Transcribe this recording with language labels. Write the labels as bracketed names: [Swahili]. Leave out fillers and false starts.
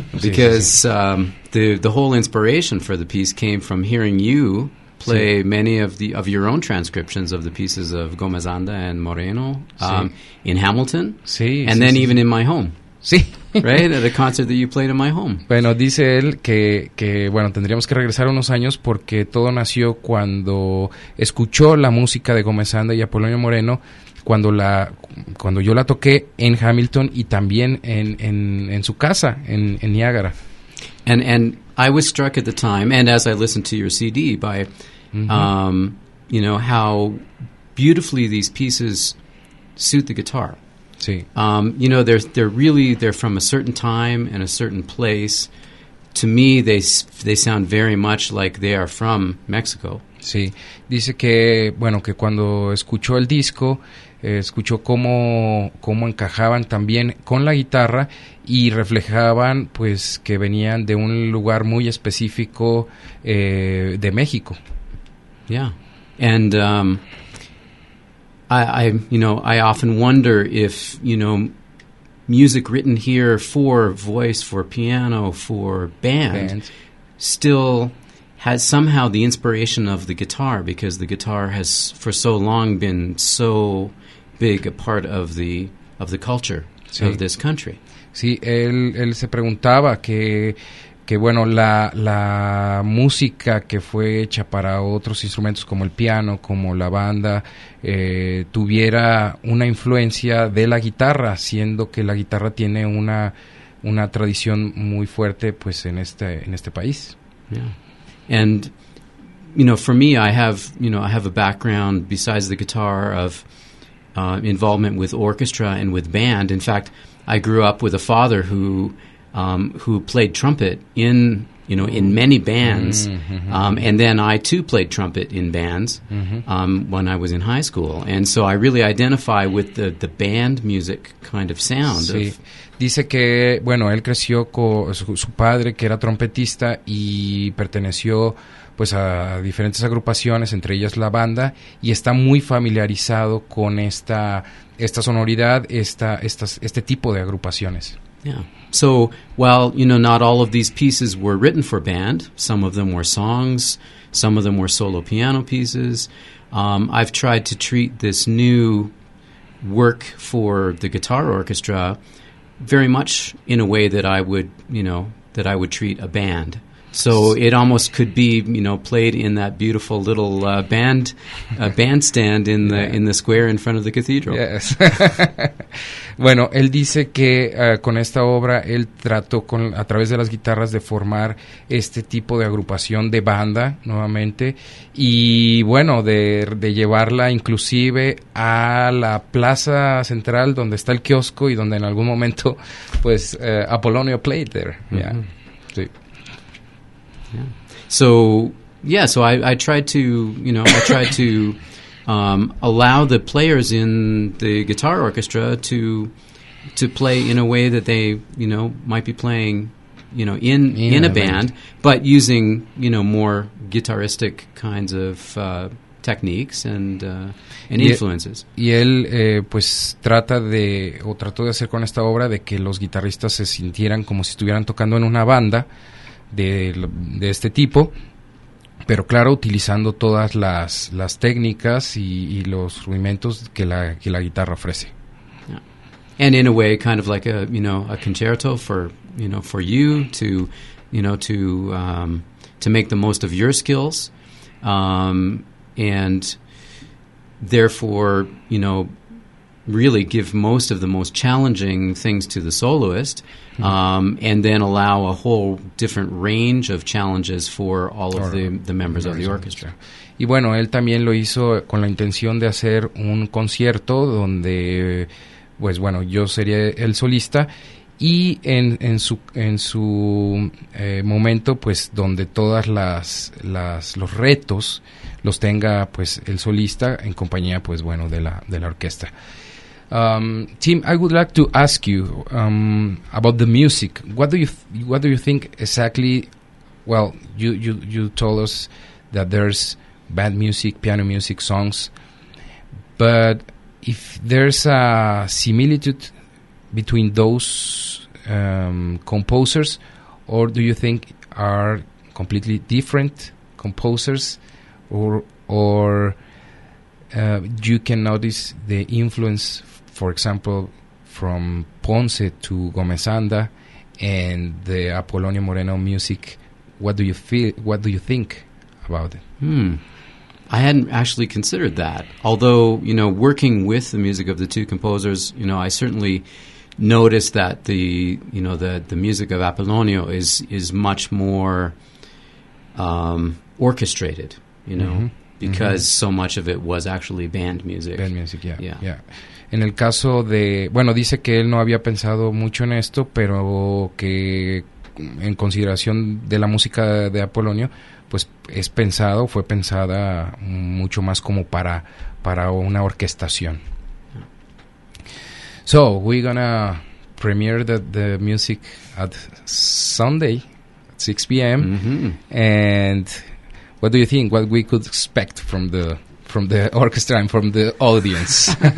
[English] Because the whole inspiration for the piece came from hearing you play sí. many of the of your own transcriptions of the pieces of Gómez Anda and Moreno in Hamilton. [Spanish] Sí. [English] And then [Spanish] sí, [English] even [Spanish] sí. [English] in my home. [Spanish] Sí. [English] Right? At a concert that you played in my home. [Spanish] Bueno, dice él que bueno, tendríamos que regresar unos años porque todo nació cuando escuchó la música de Gómez Anda y Apolonio Moreno. Cuando yo la toqué en Hamilton y también en su casa en Niagara. [English] And I was struck at the time, and as I listened to your CD, by mm-hmm. You know, how beautifully these pieces suit the guitar. [Spanish] Sí. [English] You know, they're from a certain time and a certain place. To me, they sound very much like they are from Mexico. [Spanish] Sí. Dice que bueno que cuando escuchó el disco. Escuchó cómo encajaban también con la guitarra y reflejaban pues que venían de un lugar muy específico de México. [English] Yeah. And I you know, I often wonder if, you know, music written here for voice, for piano, for band still has somehow the inspiration of the guitar, because the guitar has for so long been so big a part of the culture sí. of this country. [Spanish] Sí, él se preguntaba que bueno, la música que fue hecha para otros instrumentos como el piano, como la banda, tuviera una influencia de la guitarra, siendo que la guitarra tiene una tradición muy fuerte pues en este país. [English] Yeah. And you know, for me, I have a background besides the guitar of involvement with orchestra and with band. In fact, I grew up with a father who played trumpet in, you know, in many bands. Mm-hmm. And then I too played trumpet in bands when I was in high school. And so I really identify with the band music kind of sound. [Spanish] Sí. Dice que, bueno, él creció con su padre que era trompetista y perteneció pues a diferentes agrupaciones, entre ellas la banda, y está muy familiarizado con esta sonoridad, este tipo de agrupaciones. [English] Yeah. So, while, you know, not all of these pieces were written for band, some of them were songs, some of them were solo piano pieces, I've tried to treat this new work for the guitar orchestra very much in a way that I would, you know, that I would treat a band. So it almost could be, you know, played in that beautiful little bandstand in the yeah. in the square in front of the cathedral. Yes. [Spanish] Bueno, él dice que con esta obra él trató con a través de las guitarras de formar este tipo de agrupación de banda nuevamente y bueno, de llevarla inclusive a la plaza central donde está el kiosco y donde en algún momento pues Apolonio [English] played there. Mm-hmm. Yeah. Sí. Yeah. So, yeah, so I tried to, you know, I tried to allow the players in the guitar orchestra to play in a way that they, you know, might be playing, you know, in a band, but using, you know, more guitaristic kinds of techniques and influences. [Spanish] Y él pues trata de o trató de hacer con esta obra de que los guitarristas se sintieran como si estuvieran tocando en una banda. De este tipo, pero claro, utilizando todas las técnicas y los rudimentos que la guitarra ofrece. [English] Yeah. And in a way, kind of like a, you know, a concerto for, you know, for you to, you know, to make the most of your skills, and therefore, you know, really give most of the most challenging things to the soloist, and then allow a whole different range of challenges for all of the members of the orchestra. [Spanish] Y bueno, él también lo hizo con la intención de hacer un concierto donde, pues bueno, yo sería el solista y en su momento, pues donde todas los retos los tenga pues el solista en compañía, pues bueno, de la orquesta. [English] Tim, I would like to ask you about the music. What do you think exactly? Well, you told us that there's band music, piano music, songs, but if there's a similitude between those composers, or do you think are completely different composers, or you can notice the influence, for example, from Ponce to Gómez Anda and the Apolonio Moreno music? What do you feel? What do you think about it? I hadn't actually considered that. Although, you know, working with the music of the two composers, you know, I certainly noticed that the, you know, the music of Apolonio is much more orchestrated, you know, because so much of it was actually band music. Band music, yeah. [Spanish] En el caso de, bueno, dice que él no había pensado mucho en esto, pero que en consideración de la música de Apolonio, pues es pensado, fue pensada mucho más como para una orquestación. [English] So, we're gonna premiere the music at Sunday at 6 p.m. And what do you think, what we could expect from the orchestra and from the audience?